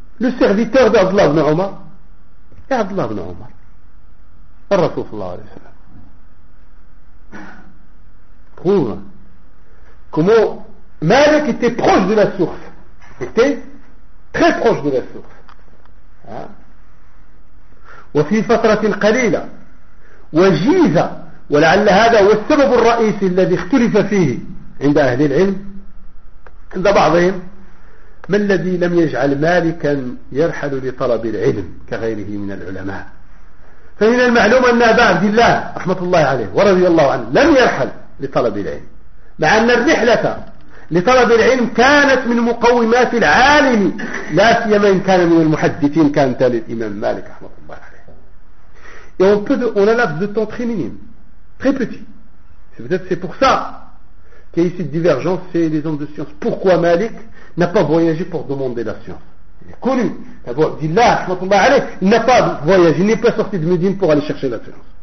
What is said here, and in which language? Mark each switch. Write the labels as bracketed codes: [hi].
[fr] Le serviteur d'Abdullah Ibn Omar et Abdullah Ibn Omar, le Rasul sallallahu alayhi wa sallam. Prouve comment Malik était proche de la source, était très proche de la source. [ar] وفي فترة قليلة وجيزة ولعل هذا هو السبب الرئيسي الذي اختلف فيه عند أهل العلم عند بعضهم ما الذي لم يجعل مالكا يرحل لطلب العلم كغيره من العلماء. فهنا المعلوم أن أبا عبد الله رحمة الله عليه ورضي الله عنه لم يرحل لطلب العلم، مع أن الرحلة لطلب العلم كانت من مقومات العالم، لا سيما إن كان من المحدثين كانت للإمام مالك رحمة الله عليه. [fr] Et on peut on a laps de temps très minime, très petit. C'est peut-être c'est pour ça qu'il y a cette divergence chez les hommes de science. Pourquoi Malik n'a pas voyagé pour demander la science? Il est connu, Abu Abdillah, il n'a pas voyagé, il n'est pas sorti de Médine pour aller chercher la science.